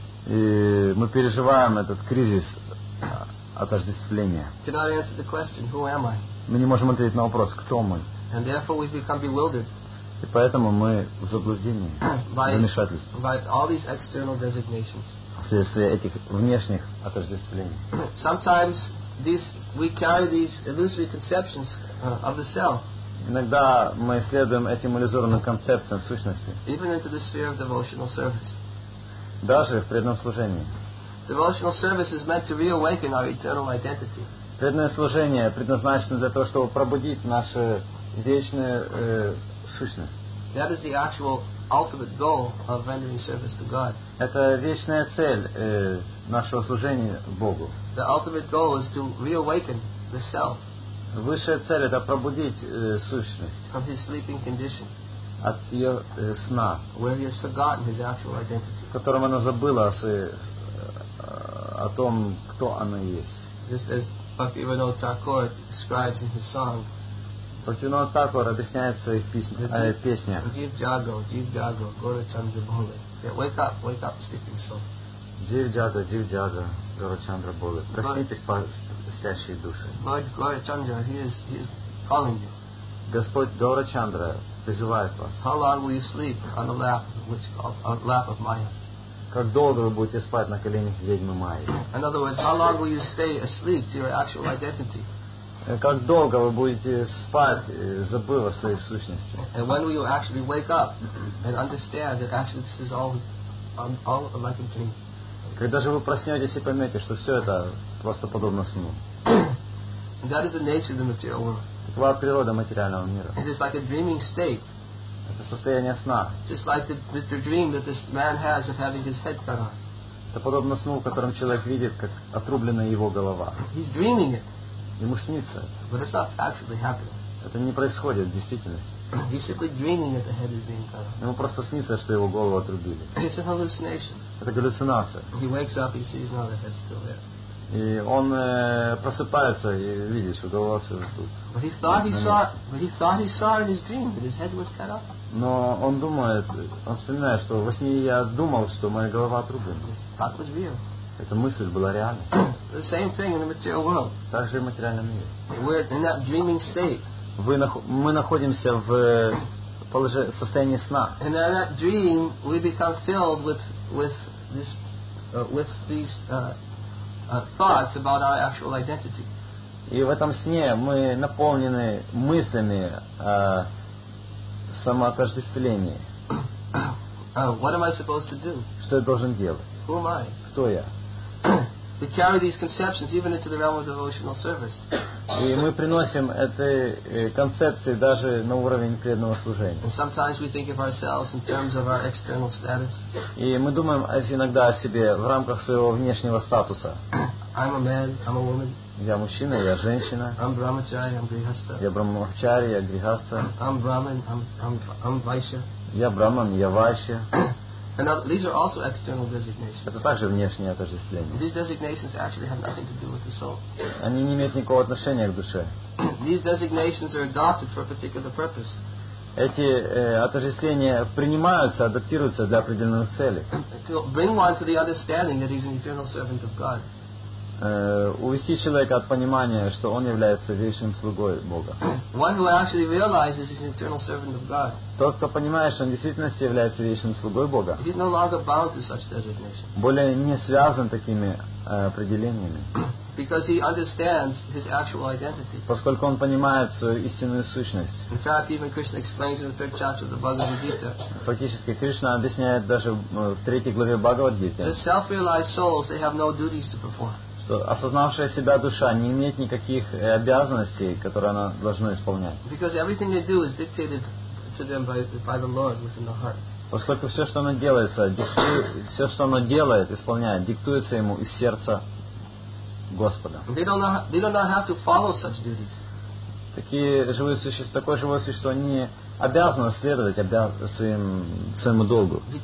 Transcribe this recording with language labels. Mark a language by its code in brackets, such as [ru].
[ru] И мы переживаем этот кризис отождествления. [en] Cannot answer the question, who am I? [ru] Мы не можем ответить на вопрос, кто мы. [en] And therefore we become bewildered. [ru] И поэтому мы в заблуждении, [en] by, [ru] в замешательстве. [en] By all these external designations. [ru] Вследствие этих внешних отождествлений. [en] Sometimes these, we carry these illusory conceptions of the self. [ru] Иногда мы следуем этим иллюзорным концепциям сущности. [en] Even into the sphere of devotional service. [ru] Даже в преданном служении. [en] Devotional service is meant to reawaken our eternal identity. [ru] Преданное служение предназначено для того, чтобы пробудить нашу вечную сущность. [en] That is the actual ultimate goal of rendering service to God. [ru] Это вечная цель нашего служения Богу. [en] The ultimate goal is to reawaken the self. [ru] Высшая цель — это пробудить сущность [en] from his sleeping condition, [ru] от ее сна, [en] where he has forgotten his actual identity. [ru] В котором она забыла о, своей, о том, кто она есть. [en] Just as Bhaktivinoda Thakur describes in his song, [ru] Bhaktivinoda Thakur объясняет в своих песнях, [bn] Jeev Jago, Jeev Jago, Gora Chandra Bole. [en] Yeah, wake up, sleeping soul. [bn] Jeev Jago, Jeev Jago, Gora Chandra Bole. [ru] Проснитесь, пожалуйста. Спящие души. [en] Lord Gaura Chandra, he is calling you. [ru] Господь Гаура Чандра призывает вас. [en] How long will you sleep on the lap, which called, lap of Maya? [ru] Как долго вы будете спать на коленях ведьмы Майи? [en] In other words, how long will you stay asleep to your actual identity? [ru] Как долго вы будете спать, забыв о своей сущности? [en] And when will you actually wake up and understand that actually this is all like a dream? [ru] Когда же вы проснетесь и поймете, что все это просто подобно сну? [en] That is the nature of the material world. [ru] Такова природа материального мира. [en] It is like a dreaming state. [ru] Это состояние сна. [en] Just like the dream that this man has of having his head cut off. [ru] Это подобно сну, в котором человек видит, как отрублена его голова. [en] He's dreaming it. [ru] Ему снится. [en] But it's not actually happening. [ru] Это не происходит в действительности. [en] He's simply dreaming that the head is being cut. [ru] Ему просто снится, что его голову отрубили. [en] It's a hallucination. [ru] Это галлюцинация. [en] He wakes up, he sees now the head still there. [ru] И он просыпается и видит, что голова все тут. [en] But he thought he saw. But he thought he saw in his dream that his head was cut off. [ru] Но он думает, он вспоминает, что во сне я думал, что моя голова отрублена. [en] That was real. [ru] Эта мысль была реальной. [en] The same thing in the material world. [ru] Также и в материальном мире. [en] We're in that dreaming state. [ru] Мы находимся в состоянии сна. [en] And in that dream, we become filled with these thoughts about our actual identity. [ru] И в этом сне мы наполнены мыслями о самоотождествлении. [en] What am I supposed to do? [ru] Что я должен делать? [en] Who am I? [ru] Кто я? [en] We carry these conceptions even into the realm of devotional service. [ru] И мы приносим эти концепции даже на уровень преданного служения. [en] And sometimes we think of ourselves in terms of our external status. [ru] И мы думаем иногда о себе в рамках своего внешнего статуса. [en] I'm a man, I'm a woman. [ru] Я мужчина, я женщина. [en] I'm brahmachari, I'm grihastha. [ru] Я брахмачари, я грихастха. [en] I'm brahman, I'm vaishya. [ru] Я брахман, я вайшья. [en] And these are also external designations. [ru] Это также внешние отождествления. [en] These designations actually have nothing to do with the soul. [ru] Они не имеют никакого отношения к душе. [en] These designations are adopted for a particular purpose. [ru] Эти отождествления принимаются, адаптируются для определенных целей. [en] To bring one to the understanding that he's an eternal servant of God. [ru] Увести человека от понимания, что он является вечным слугой Бога. [en] One who actually realizes he's an eternal servant of God. [ru] Тот, кто понимает, что он в действительности является вечным слугой Бога. [en] He's no longer bound to such designations. [ru] Более не связан такими определениями. [en] Because he understands his actual identity. [ru] Поскольку он понимает свою истинную сущность. [en] In fact, even Krishna explains in the third chapter of the Bhagavad Gita. [ru] Фактически Кришна объясняет даже в третьей главе Бхагавад Гиты. [en] The self-realized souls, they have no duties to perform. [ru] Осознавшая себя душа не имеет никаких обязанностей, которые она должна исполнять. [en] Because everything they do is dictated to them by the Lord within the heart. [ru] Поскольку все, что она делает, все, что она делает, исполняет, диктуется ему из сердца Господа. [en] They don't have to follow such duties. [ru] такие живые существа, такое живое существо, они обязаны следовать своему долгу.